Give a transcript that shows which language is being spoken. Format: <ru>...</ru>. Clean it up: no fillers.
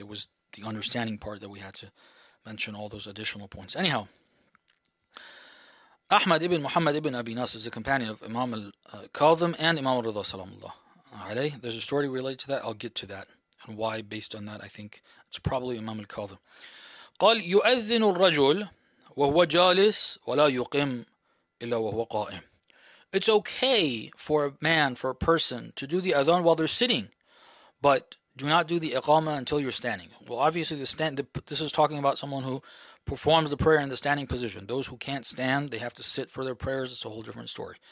<en>It was the understanding part that we had to mention all those additional points. Anyhow, Ahmad ibn Muhammad ibn Abi Nasr is a companion of Imam al-Kadhim and Imam al-Ridha salamullah alayh. There's a story related to that. I'll get to that and why, based on that, I think it's probably Imam al-Kadhim.</en> <ar>قال يؤذن الرجل وهو جالس ولا يقيم إلا وهو قائم.</ar> <en>It's okay for a man, for a person, to do the adhan while they're sitting, but Do not do the iqama until you're standing. Well, obviously, this is talking about someone who performs the prayer in the standing position. Those who can't stand, they have to sit for their prayers. It's a whole different story.</en>